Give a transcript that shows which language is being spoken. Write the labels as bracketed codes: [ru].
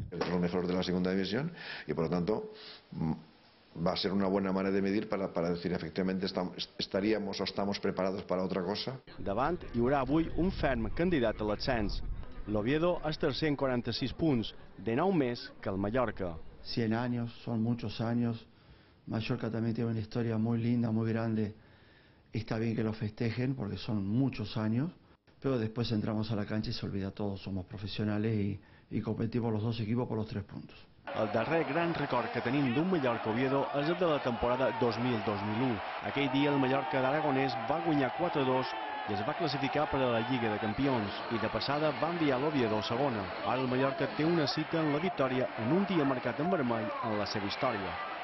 [ca] És el millor de la segona divisió i, per tant, va ser una bona manera de medir per dir que efectivament estaríem o estem preparats per a altra cosa. Davant hi haurà avui un ferm candidat a l'ascens. L'Oviedo és tercer en 46 punts, de 9 més que el Mallorca. 100 anys, són molts anys. Mallorca també té una història molt linda, molt gran. [es] Está bien que lo festejen porque son muchos años, pero después entramos a la cancha y se olvida todo, somos profesionales y competimos los dos equipos por los 3 puntos. [ca] El darrer gran record que tenim d'un Mallorca-Oviedo és el de la temporada 2000-2001. Aquell dia el Mallorca d'Aragonès va guanyar 4-2 i es va classificar per a la Lliga de Campions i de passada va enviar l'Oviedo a segona. Ara el Mallorca té una cita en la victòria en un dia marcat en vermell en la seva història.